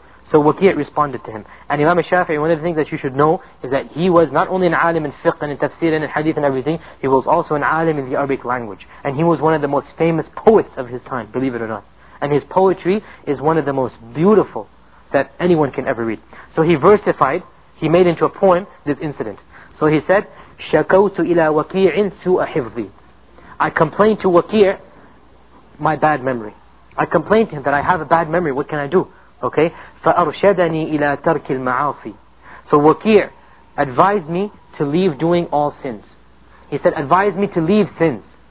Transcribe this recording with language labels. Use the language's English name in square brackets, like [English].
[English] So Waqi' responded to him. And Imam al-Shafi'i, one of the things that you should know is that he was not only an alim in fiqh and in tafsir and in hadith and everything, he was also an alim in the Arabic language. And he was one of the most famous poets of his time, believe it or not. And his poetry is one of the most beautiful that anyone can ever read. So he versified, he made into a poem, this incident. So he said, [Arabic] شَكَوْتُ إِلَىٰ وَكِيعٍ سُوءَ حِفْظِي. [English] I complained to Waqi' my bad memory. I complained to him that I have a bad memory, what can I do? [Arabic] Okay? فَأَرْشَدَنِي إِلَىٰ تَرْكِ الْمَعَاصِي. [English] So Waqi' advised me to leave doing all sins. He said, advise me to leave sins.